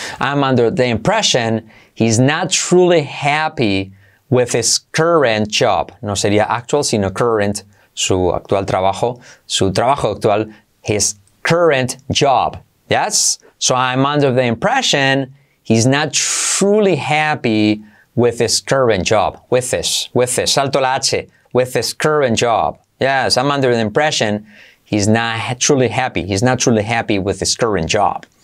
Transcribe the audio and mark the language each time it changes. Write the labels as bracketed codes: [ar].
[en] I'm under the impression he's not truly happy with his current job. [es] No sería actual, sino current, su actual trabajo, su trabajo actual, [en] his current job. Yes? So I'm under the impression he's not truly happy with his current job. With this. [es] Salto la H. [en] With his current job. Yes, I'm under the impression he's not truly happy. He's not truly happy with his current job.